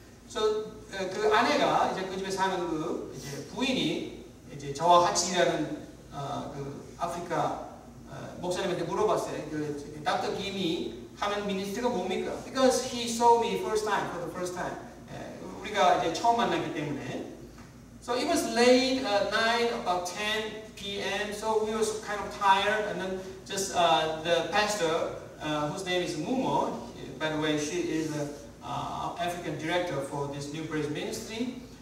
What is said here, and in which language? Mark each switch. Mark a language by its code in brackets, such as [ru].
[ko] So 그 아내가 이제 그 집에 사는 그 이제 부인이 이제 저와 같이 일하는 그 아프리카 목사님한테 물어봤어요. 그 닥터 김이 하는 미니스트가 뭡니까? [en] Because he saw me for the first time. [ko] 우리가 이제 처음 만났기 때문에. [en] So it was late at night, about 10 p.m. So we were kind of tired, and then just the pastor, whose name is Mumo, by the way, she is a African director for this New Praise Ministry.